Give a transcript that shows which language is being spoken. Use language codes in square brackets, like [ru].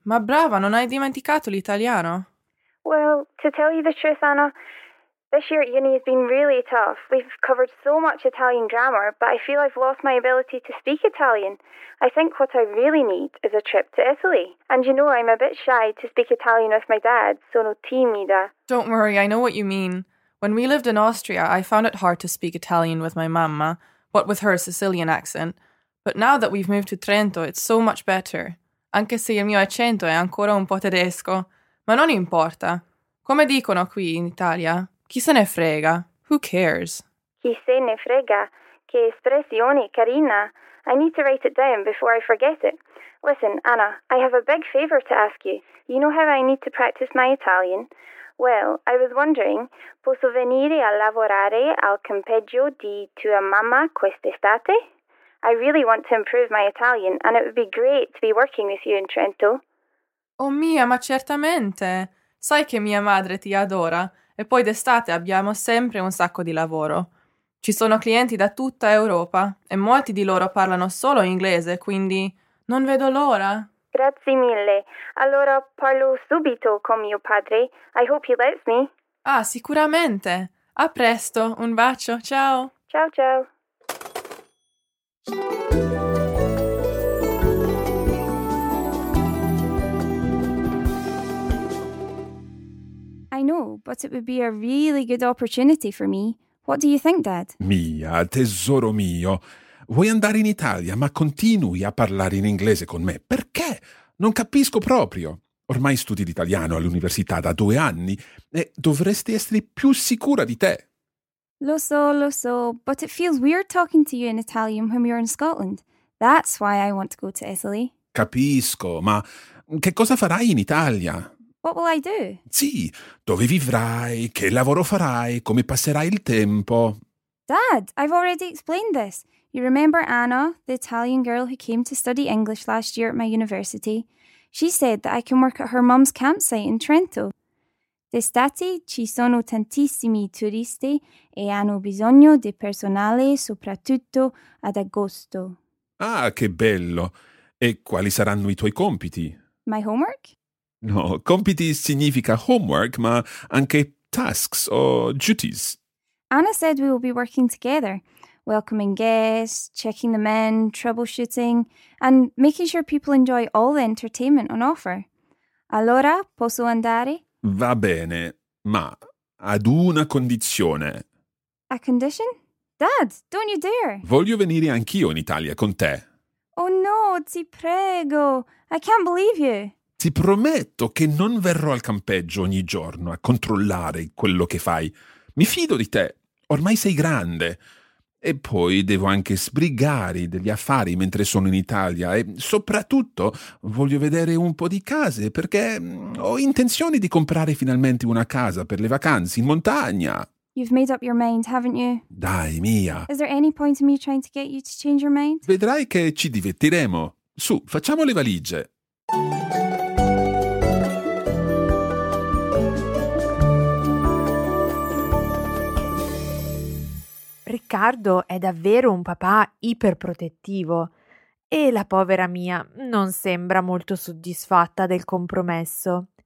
[it] Ma brava, non hai dimenticato l'italiano? [en] Well, to tell you the truth, Anna, this year at uni has been really tough. We've covered so much Italian grammar, but I feel I've lost my ability to speak Italian. I think what I really need is a trip to Italy. And you know, I'm a bit shy to speak Italian with my dad, [it] sono timida. [en] Don't worry, I know what you mean. When we lived in Austria, I found it hard to speak Italian with my mamma, what with her Sicilian accent. But now that we've moved to Trento, it's so much better. [it] Anche se il mio accento è ancora un po' tedesco. Ma non importa. Come dicono qui in Italia? Chi se ne frega? [en] Who cares? [it] Chi se ne frega? Che espressione carina! [en] I need to write it down before I forget it. Listen, Anna, I have a big favor to ask you. You know how I need to practice my Italian? Well, I was wondering, [it] posso venire a lavorare al campeggio di tua mamma quest'estate? [en] I really want to improve my Italian, and it would be great to be working with you in Trento. [it] Oh mia, ma certamente! Sai che mia madre ti adora, e poi d'estate abbiamo sempre un sacco di lavoro. Ci sono clienti da tutta Europa, e molti di loro parlano solo inglese, quindi non vedo l'ora. Grazie mille. Allora parlo subito con mio padre. [en] I hope he lets me. [it] Ah, sicuramente. A presto. Un bacio. Ciao. Ciao, ciao. [en] I know, but it would be a really good opportunity for me. What do you think, Dad? [it] Mia, tesoro mio. Vuoi andare in Italia, ma continui a parlare in inglese con me. Perché? Non capisco proprio. Ormai studi l'italiano all'università da 2 anni e dovresti essere più sicura di te. Lo so, [en] but it feels weird talking to you in Italian when you're in Scotland. That's why I want to go to Italy. [it] Capisco, ma che cosa farai in Italia? [en] What will I do? [it] Sì, dove vivrai, che lavoro farai, come passerai il tempo? [en] Dad, I've already explained this. You remember Anna, the Italian girl who came to study English last year at my university? She said that I can work at her mum's campsite in Trento. [it] D'estate ci sono tantissimi turisti e hanno bisogno di personale soprattutto ad agosto. Ah, che bello! E quali saranno i tuoi compiti? [en] My homework? [it] No, compiti significa homework, ma anche tasks o duties. [en] Anna said we will be working together. Welcoming guests, checking them in, troubleshooting, and making sure people enjoy all the entertainment on offer. [it] Allora, posso andare? Va bene, ma ad una condizione. [en] A condition? Dad, don't you dare! [it] Voglio venire anch'io in Italia con te. [en] Oh no, [it] ti prego! [en] I can't believe you! [it] Ti prometto che non verrò al campeggio ogni giorno a controllare quello che fai. Mi fido di te, ormai sei grande. E poi devo anche sbrigare degli affari mentre sono in Italia e soprattutto voglio vedere un po' di case perché ho intenzione di comprare finalmente una casa per le vacanze in montagna. [en] You've made up your mind, haven't you? [it] Dai, Mia. [en] Is there any point in me trying to get you to change your mind? [it] Vedrai che ci divertiremo. Su, facciamo le valigie. Riccardo è davvero un papà iperprotettivo e la povera Mia non sembra molto soddisfatta del compromesso.